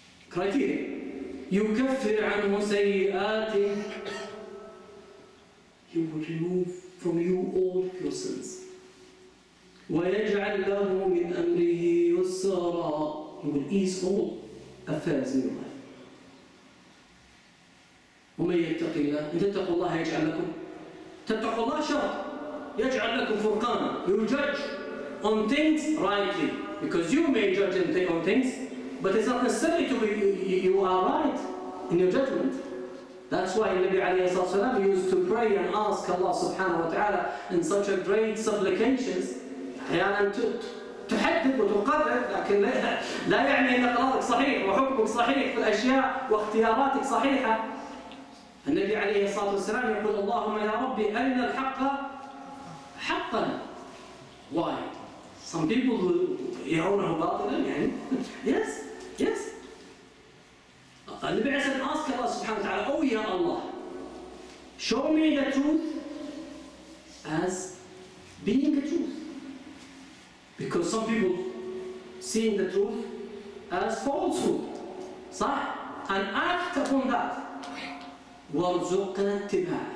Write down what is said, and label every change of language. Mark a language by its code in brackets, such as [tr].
[ar] Criteria. يُكَفِّرْ عَنْهُ سَيِّئَاتِ. [en] He will remove from you all your sins. [ar] وَيَجْعَلْ لَهُ مِنْ أَمْرِهِ يُسَّرًا. [en] He will ease all affairs in your life. [ar] ومن يتق الله, ان تتقوا الله يجعل لكم. تتقوا الله شرط. يجعل لكم فرقانا. [en] You judge on things rightly. Because you may judge on things, but it's not necessary to be, you are right in your judgment. That's why Nabi عليه الصلاة والسلام used to pray and ask Allah subhanahu wa ta'ala in such a great supplications. [ar] أحيانا تحدد وتقرر, لكن لا يعني أن قرارك صحيح وحكمك صحيح في الأشياء واختياراتك صحيحة. النبي عليه الصلاة والسلام يقول: اللهم يا ربي أرنا الحق حقا. [en] Why? Some people [ar] يرونه باطلا يعني. [en] Yes, yes. [ar] النبي عليه الصلاة والسلام [en] asked Allah [ar] سبحانه وتعالى: أو يا الله, [en] show me the truth as being the truth. Because some people see the truth as falsehood. صح؟ And act upon that. [ar] وَرْزُقْنَا اتِّبَاعَ.